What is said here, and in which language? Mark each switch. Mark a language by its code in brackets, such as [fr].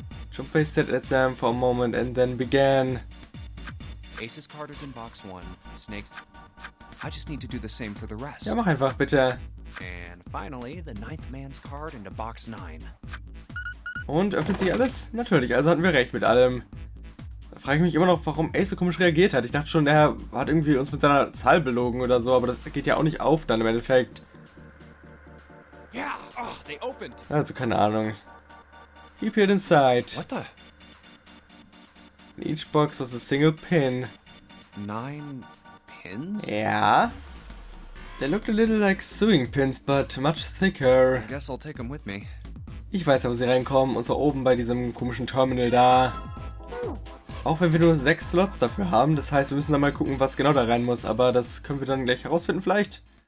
[en] Junpei stared at them for a moment and then began. Ace's card is in box 1, Snake's... I just need to do the same for the rest. [de] Ja, mach einfach, bitte. [en] And finally, the 9th man's card into box 9. [de] Und öffnet sich alles? Natürlich, also hatten wir recht mit allem. Da frage ich mich immer noch, warum Ace so komisch reagiert hat. Ich dachte schon, er hat irgendwie uns mit seiner Zahl belogen oder so, aber das geht ja auch nicht auf dann im Endeffekt. [en] Yeah, oh, they opened. [de] Also keine Ahnung. [en] He peered inside. What the? In each box was a single pin. 9 Pins? Yeah. They looked a little like sewing pins, but much thicker. I guess I'll take them with me. [de] Ich weiß ja, wo sie reinkommen, und zwar oben bei diesem komischen Terminal da. Auch wenn wir nur 6 Slots dafür haben, das heißt, wir müssen da mal gucken, was genau da rein muss, aber das können wir dann gleich herausfinden vielleicht.